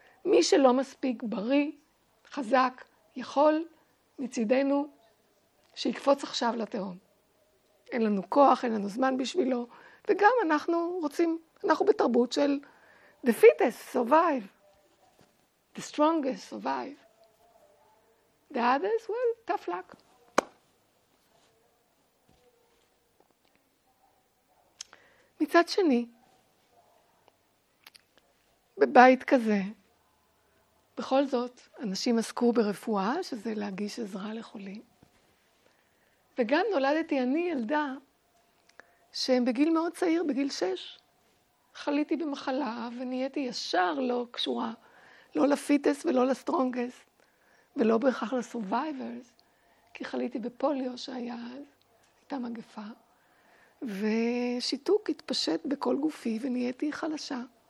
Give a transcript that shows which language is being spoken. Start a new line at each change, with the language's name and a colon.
Hebrew: מי שלא מספיק בריא, חזק, יכול, מצידנו, שיקפוץ עכשיו לתהום. אין לנו כוח, אין לנו זמן בשבילו, וגם אנחנו רוצים, אנחנו בתרבות של
English: the fittest survive, the strongest survive. The others, well, tough luck.
Hebrew: מצד שני, בבית כזה, בכל זאת, אנשים עסקו ברפואה, שזה להגיש עזרה לחולים. וגם נולדתי אני ילדה, שבגיל מאוד צעיר, בגיל 6, חליתי במחלה ונהייתי ישר לא קשורה, לא לפיטס ולא לסטרונגס, ולא בהכרח לסורווייברס, כי חליתי בפוליו שהיה אז, הייתה מגפה, ושיתוק התפשט בכל גופי ונהייתי חלשה.